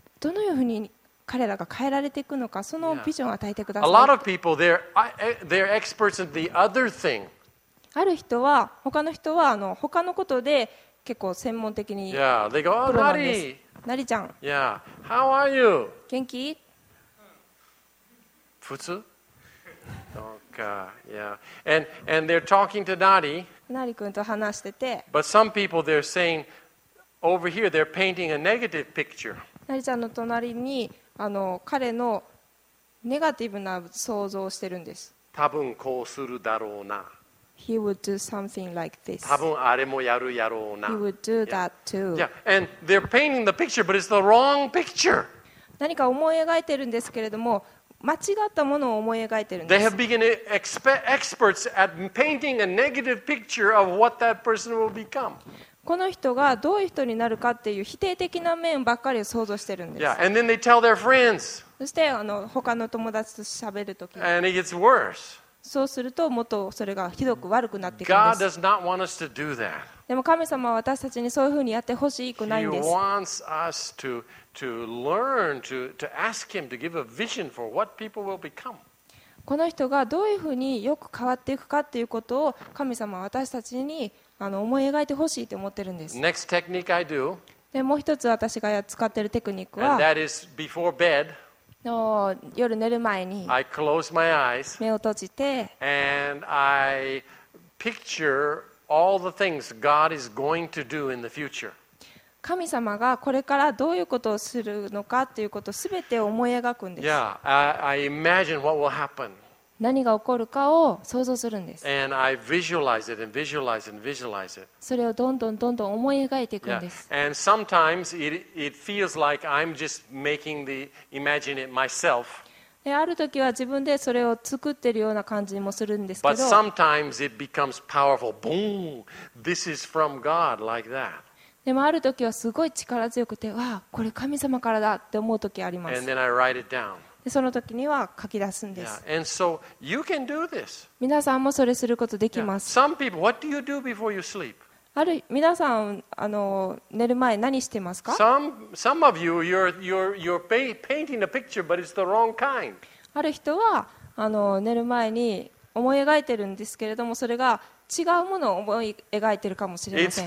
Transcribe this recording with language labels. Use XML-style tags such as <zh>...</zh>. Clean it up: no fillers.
<ja>どのようにに彼らが変えられていくのか、そのビジョンを与えてください。</ja> <en>Yeah. A lot of people, they're experts in the other thing.</en> <ja>ある人は他の人は他のことで結構専門的にプロなんです。</ja> <en>Yeah, they go, oh, Nari.</en> <ja>Nari ちゃん。</ja> <en>Yeah, how are you?</en> <ja>元気？普通？そうか、yeah.</ja> <en>And they're talking to Nari.</en> <ja>Nari 君と話してて。</ja> <en>But some people they're saying over here they're painting a negative picture.</en> <ja>Nari ちゃんの隣に彼のネガティブな想像をしてるんです。多分こうするだろうな。</ja> <en>He would do something like this.</en> <ja>多分あれもやるやろうな。</ja> <en>He would do that too. Yeah, and they're painting the picture, but it's the wrong picture.</en> <ja>何か思い描いてるんですけれども、間違ったものを思い描いてるんです。</ja> <en>They have become experts at painting a negative picture of what that person will become.</en> <ja>この人がどういう人になるかっていう否定的な面ばっかりを想像してるんです。</ja> <en>Yeah, and then they tell their friends.</en> <ja>そして他の友達と喋るとき。</ja> <en>And it gets worse.</en> <ja>そうするともっとそれがひどく悪くなっていくんです。でも神様は私たちにそういうふうにやってほしくないんです。この人がどういうふうによく変わっていくかということを神様は私たちに思い描いてほしいと思ってるんです。</ja> <en>Next technique I do,</en> <ja>でもう一つ私が使ってるテクニックは、</ja> <en>and that is before bed,</en> <ja>の夜寝る前に目を閉じて、</ja> <en>and I picture all the things God is going to do in the future.</en> <ja>神様がこれからどういうことをするのかということをすべて思い描くんです。</ja> <en>Yeah, I imagine what will happen.</en> <ja>何が起こるかを想像するんです。</ja> <en>And I visualize it and visualize it and visualize it.</en> <ja>それをどんどんどんどん思い描いていくんです。</ja> <en>Yeah. And sometimes it feels like I'm just making the imagine it myself.</en> <ja>ある時は自分でそれを作ってるような感じもするんですけど。</ja> <en>But sometimes it becomes powerful. Boom! This is from God, like that.</en> <ja>でもある時はすごい力強くて、わあ、これ神様からだって思う時あります。</ja> <en>And then I write it down.</en> <ja>その時には書き出すんです。</ja> <en>Yeah. And so you can do this.</en> <ja>皆さんもそれすることできます。</ja> <en>Yeah. Some people, what do you do before you sleep?</en> <ja>ある皆さん寝る前何してますか？</ja> <en>Some of you, you're painting a picture, but it's the wrong kind.</en> <ja>ある人は寝る前に思い描いてるんですけれども、それが違うものを思い描いてるかもしれません。</ja>